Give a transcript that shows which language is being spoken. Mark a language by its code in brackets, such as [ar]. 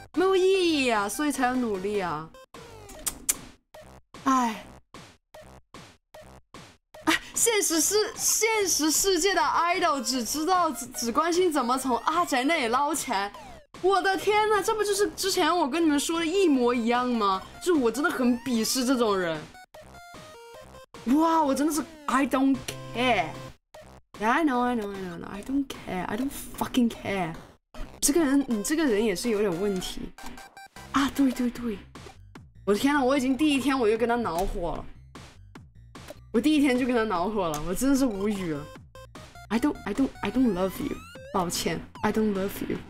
[zh] 没有意义啊，所以才要努力啊。哎，现实是现实世界的 idol 只知道只关心怎么从阿宅那里捞钱。我的天哪，这不就是之前我跟你们说的一模一样吗？就是我真的很鄙视这种人。哇，我真的是 [en] I don't care。 Yeah, I know, I know, I know, I don't care, I don't fucking care. [zh] 这个人，你这个人也是有点问题啊！对对对，我的天哪，我已经第一天我就跟他恼火了，我第一天就跟他恼火了，我真的是无语了。 [en] I don't love you. [zh] 抱歉 [en] ，I don't love you.